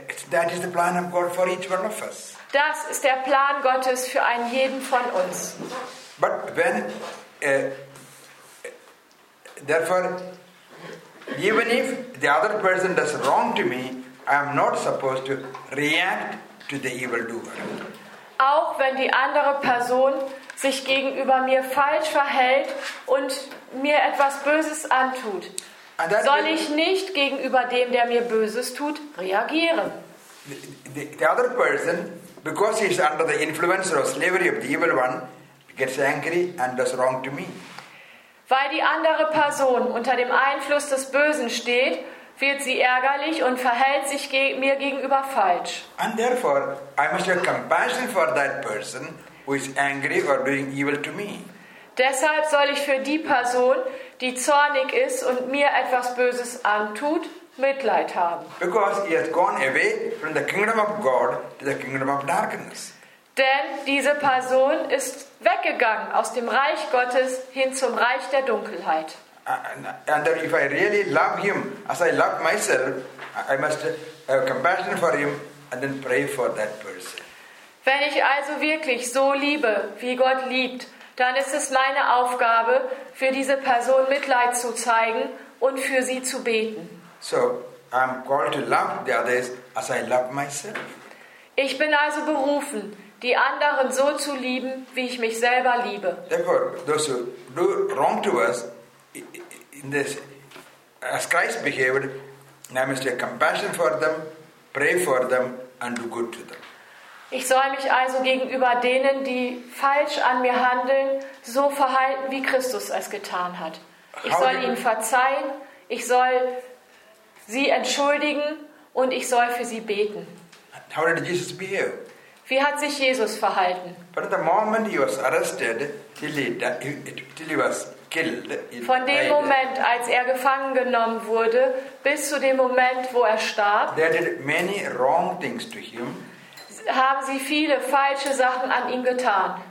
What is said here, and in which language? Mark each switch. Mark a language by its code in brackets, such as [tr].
[en] That is the plan of God for each one of us. [de] Das ist der Plan Gottes für einen jeden von uns. [en] But when therefore, even if the other person does wrong to me, I am not supposed to react to the evildoer. [de] Auch wenn die andere Person sich gegenüber mir falsch verhält und mir etwas Böses antut, soll ich nicht gegenüber dem, der mir Böses tut, reagieren. [en] The other person, because he is under the influence or slavery of the evil one, gets angry and does wrong to me. [de] Weil die andere Person unter dem Einfluss des Bösen steht, wird sie ärgerlich und verhält sich mir gegenüber falsch. [en] And therefore, I must have compassion for that person who is angry or doing evil to me. [de] Deshalb soll ich für die Person, die zornig ist und mir etwas Böses antut, Mitleid haben. [en] Because he has gone away from the kingdom of God to the kingdom of darkness. [de] Denn diese Person ist weggegangen aus dem Reich Gottes hin zum Reich der Dunkelheit. [en] And if I really love him as I love myself, I must have compassion for him and then pray for that person. [de] Wenn ich also wirklich so liebe, wie Gott liebt, dann ist es meine Aufgabe, für diese Person Mitleid zu zeigen und für sie zu beten. [en] So, I'm called to love the others as I love myself. [de] Ich bin also berufen, die anderen so zu lieben, wie ich mich selber liebe. [en] Therefore, those who do wrong to us, in this, as Christ behaved, I must have compassion for them, pray for them, and do good to them. [de] Ich soll mich also gegenüber denen, die falsch an mir handeln, so verhalten, wie Christus es getan hat. Ich soll ihnen verzeihen, ich soll sie entschuldigen und ich soll für sie beten. [en] How did Jesus behave? [de] Wie hat sich Jesus verhalten? [en] From the moment he was arrested till he was killed. [de] Von dem Moment, als er gefangen genommen wurde, bis zu dem Moment, wo er starb. [en] They did many wrong things to him. [de] Haben sie viele falsche Sachen an ihm getan.